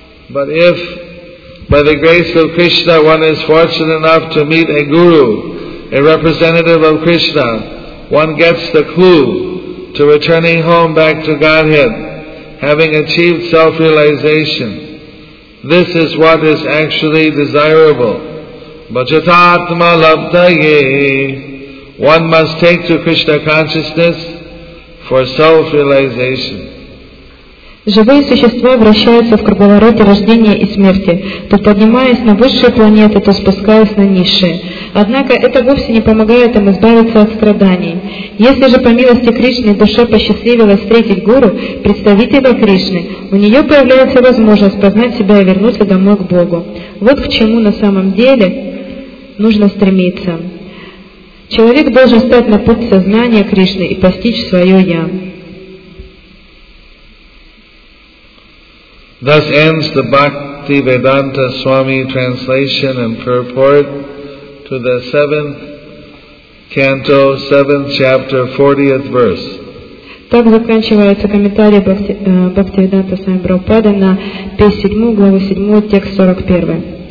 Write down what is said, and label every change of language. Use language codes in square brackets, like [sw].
[en] But if by the grace of Krishna one is fortunate enough to meet a guru, a representative of Krishna, one gets the clue to returning home back to Godhead, having achieved self-realization. This is what is actually desirable. Bhajatatma labdaye. One must take to Krishna consciousness for self-realization. [ru] Живые существа вращаются в круговороте рождения и смерти, то поднимаясь на высшие планеты, то спускаясь на низшие. Однако это вовсе не помогает им избавиться от страданий. Если же по милости Кришны душе посчастливилось встретить Гуру, представителя Кришны, у нее появляется возможность познать себя и вернуться домой к Богу. Вот к чему на самом деле нужно стремиться. Человек должен стать на путь сознания Кришны и постичь свое «Я». [en] Thus ends the Bhakti Vedanta Swami translation and purport to the 7th canto, 7th chapter, 40th verse. [ru] Так заканчивается комментарий Бхакти Веданта Свами Прабхупады на 57 главу 7 текст 41.